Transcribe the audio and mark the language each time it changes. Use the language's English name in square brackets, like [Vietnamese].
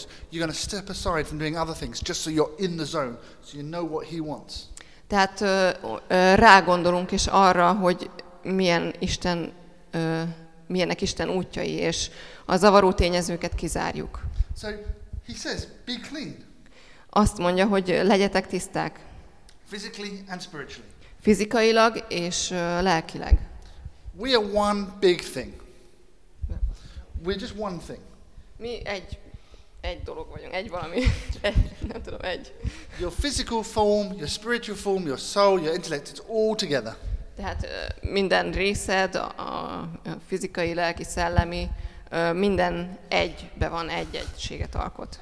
[English] You're going to step aside from doing other things just so you're in the zone, so you know what he wants. [Hungarian] Tehát rá gondolunk és arra, hogy milyenek Isten útjai, és a zavaró tényezőket kizárjuk. [English] So he says, be clean. [Hungarian] Azt mondja, hogy legyetek tiszták. [English] Physically and spiritually. [Hungarian] Fizikailag és lelkileg. [English] We are one big thing. We're just one thing. [Hungarian] Mi egy dolog vagyunk, egy valami. Nem tudom, egy. [English] Your physical form, your spiritual form, your soul, your intellect, it's all together. [Hungarian] Tehát minden részed, a fizikai, lelki, szellemi, minden egybe van, egy egységet alkot.